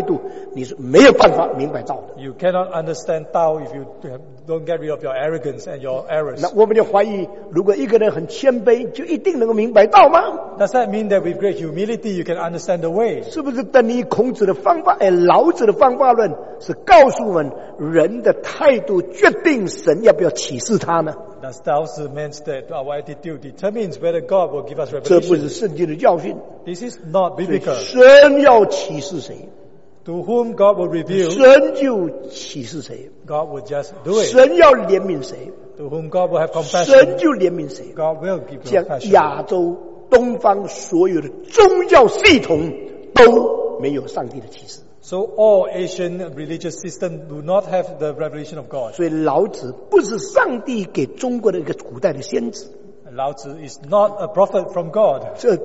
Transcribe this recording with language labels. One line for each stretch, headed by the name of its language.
Chinese: 如果你不是除去你的骄傲、你的淫志、你这种错误的态度，你是没有办法明白道的。
English: You cannot understand Tao if you don't get rid of your arrogance and your errors.
Chinese: 那我们就怀疑，如果一个人很谦卑，就一定能够明白道吗？
English: Does that mean that with great humility you can understand the way?
Chinese: 是不是等于孔子的方法，哎，老子的方法论是告诉我们人的态度决定神要不要启示他呢？
English: Does Tao mean that our attitude determines whether God will give us revelation?
Chinese: 这不是圣经的教训。
English: This is not biblical.
Chinese: 神要启示谁？
English: To whom God will reveal?
Chinese: 神就启示谁？
English: God will just do it.
Chinese: 神要怜悯谁？
English: To whom God will have compassion?
Chinese: 神就怜悯谁？
English: God will give compassion.
Chinese: 亚洲东方所有的宗教系统都没有上帝的启示。
English: So all Asian religious systems do not have the revelation of God.
Chinese: 所以老子不是上帝给中国的一个古代的先知。
English: Laozi is not a prophet from God.